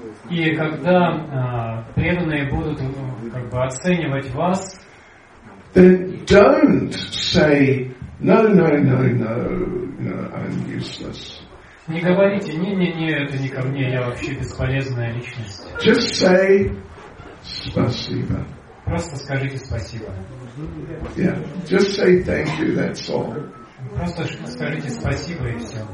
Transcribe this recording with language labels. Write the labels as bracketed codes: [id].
[ru] И когда преданные будут как бы оценивать вас, [en] then don't say no, no, no, no, no, I'm useless. [ru] Не говорите не, это не ко мне, я вообще бесполезная личность. [en] Just say [ru] спасибо. Просто скажите спасибо. [en] Yeah, just say thank you, that's all. [ru] Просто скажите спасибо и все.